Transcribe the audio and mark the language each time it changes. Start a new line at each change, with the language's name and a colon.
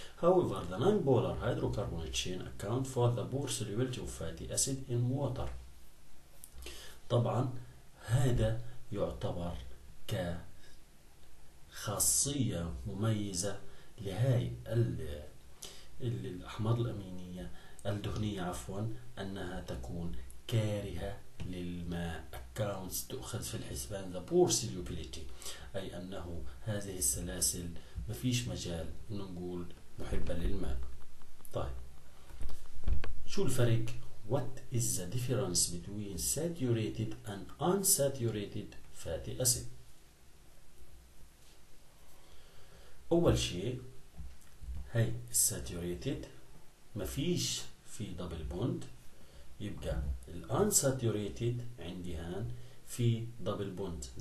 English: However the nonpolar hydrocarbonate chain account for the poor solubility of fatty acid in water.
Arabic: طبعا هذا يعتبر كخاصية مميزة لهاي الأحماض الأمينية الدهنية عفوا، أنها تكون كارهة للماء. accounts تؤخذ في الحسبان the poor solubility، أي أنه هذه السلاسل ما فيش مجال انه نقول محبة للماء. طيب شو الفرق؟ What is the difference between saturated and unsaturated fatty acid؟ أول شيء هاي saturated ما فيش في double bond، يبقى ال unsaturated عندي هان في double bond.